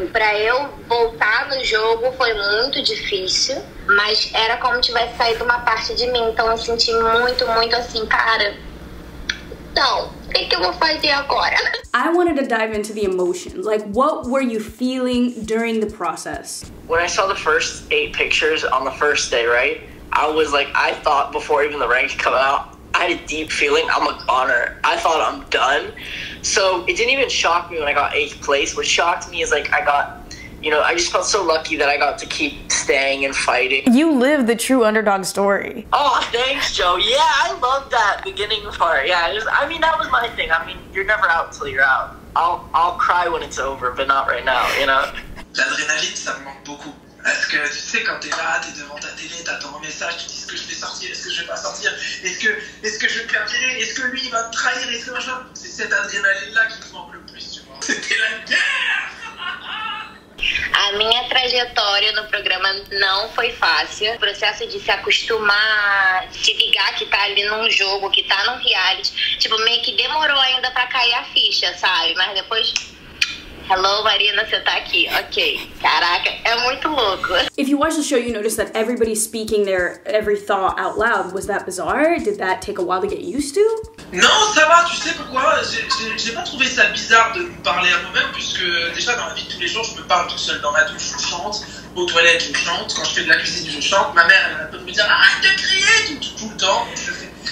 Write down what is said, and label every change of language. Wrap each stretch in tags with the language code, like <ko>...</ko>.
<pt>Pra eu voltar no jogo foi muito difícil, mas era como se tivesse saído uma parte de mim, então eu senti muito, muito assim, cara, então, o que eu vou fazer agora?</pt> <en>I wanted to dive into the emotions. Like, what were you feeling during the process? When I saw the first 8 pictures on the first day, right? I was like, I thought before even the rank came out, I had a deep feeling, I'm a goner. I thought I'm done. So it didn't even shock me when I got 8th place. What shocked me is like I got you know, I just felt so lucky that I got to keep staying and fighting. You live the true underdog story. Oh, thanks, Joe. Yeah, I love that beginning part. Yeah, just, I mean, that was my thing. I mean, you're never out till you're out. I'll cry when it's over, but not right now, you know?</en> <fr>L'adrénaline, ça me manque beaucoup. Parce que, tu sais, quand t'es là, t'es devant ta télé, t'attends un message, tu dis, est-ce que je vais sortir, est-ce que je vais pas sortir, est-ce que je vais perdre, est-ce que lui, il va me trahir, est-ce que machin. C'est cette adrénaline-là qui te manque le plus, tu vois. C'était la guerre.</fr> <pt>A minha trajetória no programa não foi fácil. O processo de se acostumar, se ligar que tá ali num jogo, que tá num reality, tipo, meio que demorou ainda pra cair a ficha, sabe? Mas depois... Hello, Marina, você tá aqui. Ok. Caraca, é muito louco.</pt> <en>If you watch the show, you notice that everybody speaking their every thought out loud. Was that bizarre? Did that take a while to get used to?</en> <pt>Não,</pt> <fr>ça va, tu sais pourquoi? J'ai pas trouvé ça bizarre de parler à moi-même, puisque déjà dans la vie de tous les jours, je me parle tout seul dans ma douche, je chante, aux toilettes, je chante, quand je fais de la cuisine, je chante, ma mère, elle peut me dire « arrête de crier » tout le temps, je fais...</fr>